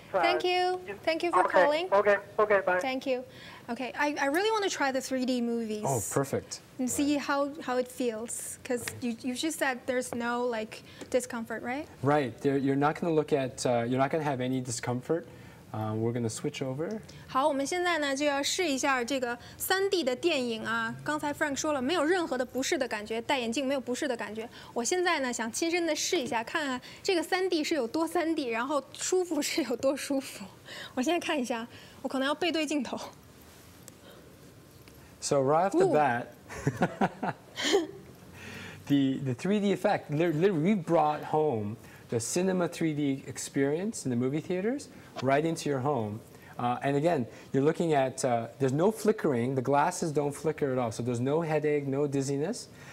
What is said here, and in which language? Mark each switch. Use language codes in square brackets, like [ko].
[en] thank you. Thank you for calling. Okay, bye. Thank you. Okay, I really want to try the 3D movies. Oh, perfect. And see how it feels. Because you just said there's no, like, discomfort, right? Right. You're not going to have any discomfort We're going to switch over. [zh] 好，我们现在呢就要试一下这个 3D 的电影啊。刚才 Frank 说了，没有任何的不适的感觉，戴眼镜没有不适的感觉。我现在呢想亲身的试一下，看看这个 3D 是有多 3D， 然后舒服是有多舒服。我现在看一下，我可能要背对镜头。 [en] So right off the bat, the 3D effect, we brought home the cinema 3D experience in the movie theaters right into your home. And again, you're looking at, there's no flickering, the glasses don't flicker at all, so there's no headache, no dizziness.